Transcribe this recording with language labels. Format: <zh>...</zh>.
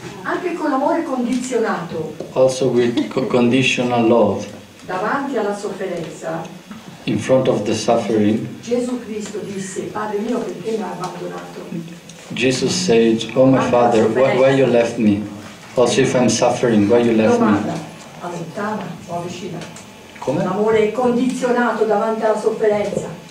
<it>Anche con l'amore condizionato.</it> <en>Also with conditional love.</en> <it>Davanti alla sofferenza.</it> <en>In front of the suffering.</en> <it>Gesù Cristo disse: Padre mio, perché mi hai abbandonato?</it> <en>Jesus said, Oh my Father, why you left me? Also if I'm suffering, why you left me?</en> <it>Allontana o avvicina? Come? L'amore condizionato davanti alla sofferenza.</it>